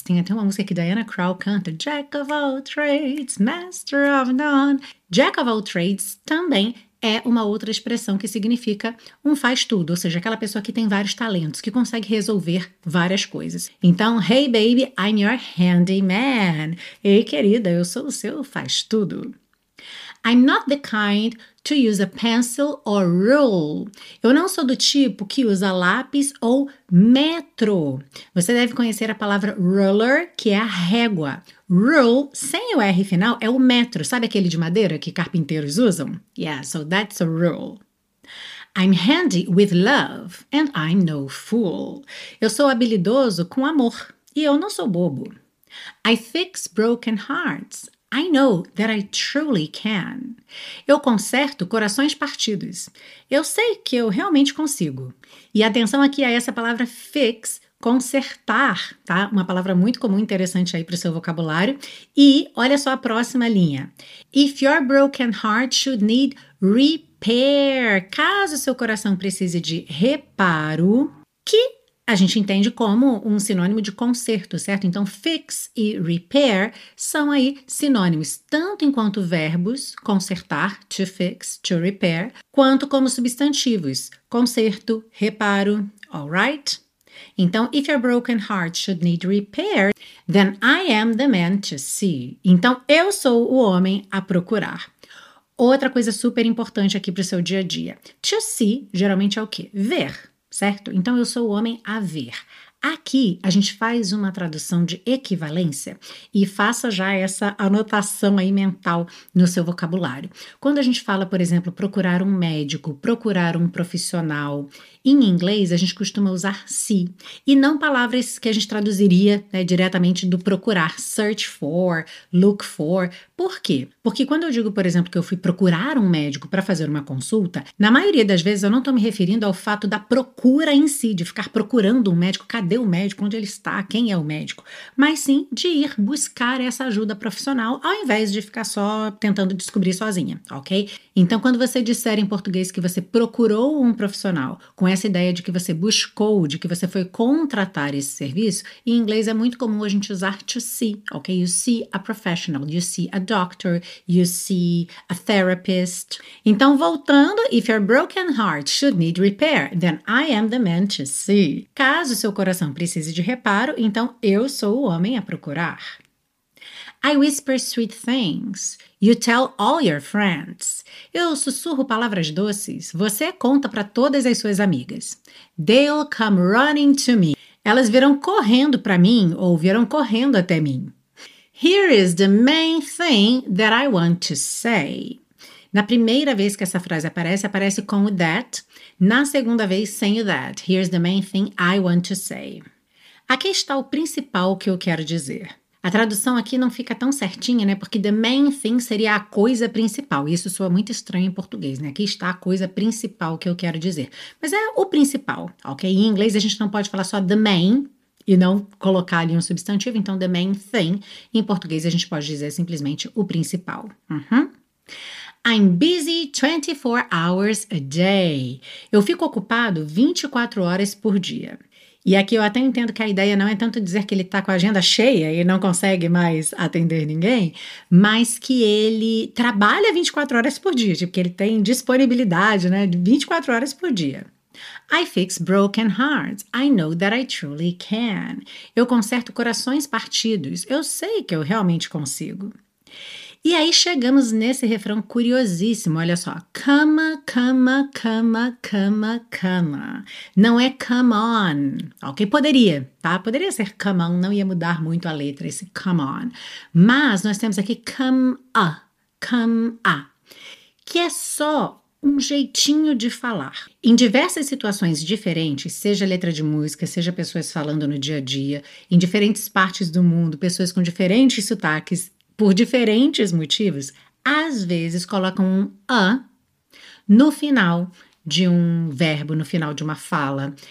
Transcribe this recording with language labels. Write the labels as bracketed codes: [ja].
[pt] Tem até uma música que Diana Krall canta: Jack of All Trades, Master of None. Jack of All Trades também é uma outra expressão que significa um faz-tudo, ou seja, aquela pessoa que tem vários talentos, que consegue resolver várias coisas. Então, [en] hey baby, I'm your handyman. [pt] Ei, querida, eu sou o seu faz-tudo. [en] I'm not the kind to use a pencil or rule. [pt] Eu não sou do tipo que usa lápis ou metro. Você deve conhecer a palavra ruler, que é a régua. Rule, sem o R final, é o metro. Sabe aquele de madeira que carpinteiros usam? [en] Yeah, so that's a rule. I'm handy with love and I'm no fool. [pt] Eu sou habilidoso com amor e eu não sou bobo. [en] I fix broken hearts. I know that I truly can. [pt] Eu conserto corações partidos. Eu sei que eu realmente consigo. E atenção aqui a essa palavra fix, consertar, tá? Uma palavra muito comum, interessante aí para o seu vocabulário. E olha só a próxima linha. [en] If your broken heart should need repair. [pt] Caso seu coração precise de reparo, que a gente entende como um sinônimo de conserto, certo? Então, fix e repair são aí sinônimos, tanto enquanto verbos, consertar, to fix, to repair, quanto como substantivos, conserto, reparo, alright? [en] Então, if your broken heart should need repair, then I am the man to see. [pt] Então, eu sou o homem a procurar. Outra coisa super importante aqui para o seu dia a dia. To see, geralmente é o quê? Ver. Certo? Então, eu sou o homem a ver. Aqui, a gente faz uma tradução de equivalência e faça já essa anotação aí mental no seu vocabulário. Quando a gente fala, por exemplo, procurar um médico, procurar um profissional, em inglês, a gente costuma usar see e não palavras que a gente traduziria, né, diretamente do procurar, search for, look for. Por quê? Porque quando eu digo, por exemplo, que eu fui procurar um médico para fazer uma consulta, na maioria das vezes eu não estou me referindo ao fato da procura em si, de ficar procurando um médico, cadê o médico, onde ele está, quem é o médico, mas sim de ir buscar essa ajuda profissional ao invés de ficar só tentando descobrir sozinha, ok? Então, quando você disser em português que você procurou um profissional com essa ideia de que você buscou, de que você foi contratar esse serviço, em inglês é muito comum a gente usar to see, ok? [en] You see a professional, you see a doctor, you see a therapist. [pt] Então, voltando, [en] if your broken heart should need repair, then I am the man to see. [pt] Caso seu coração precise de reparo, então eu sou o homem a procurar. [en] I whisper sweet things. You tell all your friends. [pt] Eu sussurro palavras doces. Você conta para todas as suas amigas. [en] They'll come running to me. [pt] Elas virão correndo para mim ou virão correndo até mim. [en] Here is the main thing that I want to say. [pt] Na primeira vez que essa frase aparece, aparece com o that. Na segunda vez, sem o that. [en] Here's the main thing I want to say. [pt] Aqui está o principal que eu quero dizer. A tradução aqui não fica tão certinha, né? Porque the main thing seria a coisa principal. E isso soa muito estranho em português, né? Aqui está a coisa principal que eu quero dizer. Mas é o principal, ok? Em inglês a gente não pode falar só the main e não colocar ali um substantivo. Então, the main thing, em português a gente pode dizer simplesmente o principal. Uhum. [en] I'm busy 24 hours a day. [pt] Eu fico ocupado 24 horas por dia. E aqui eu até entendo que a ideia não é tanto dizer que ele está com a agenda cheia e não consegue mais atender ninguém, mas que ele trabalha 24 horas por dia, tipo, que ele tem disponibilidade, né, de 24 horas por dia. [en] I fix broken hearts. I know that I truly can. [pt] Eu conserto corações partidos. Eu sei que eu realmente consigo. E aí chegamos nesse refrão curiosíssimo, olha só. [en] Come, come, come, come, come. [pt] Não é come on, ok? Poderia, tá? Poderia ser come on, não ia mudar muito a letra esse come on. Mas nós temos aqui come a, que é só um jeitinho de falar. Em diversas situações diferentes, seja letra de música, seja pessoas falando no dia a dia, em diferentes partes do mundo, pessoas com diferentes sotaques, por diferentes motivos, às vezes colocam um a no final de um verbo, no final de uma fala.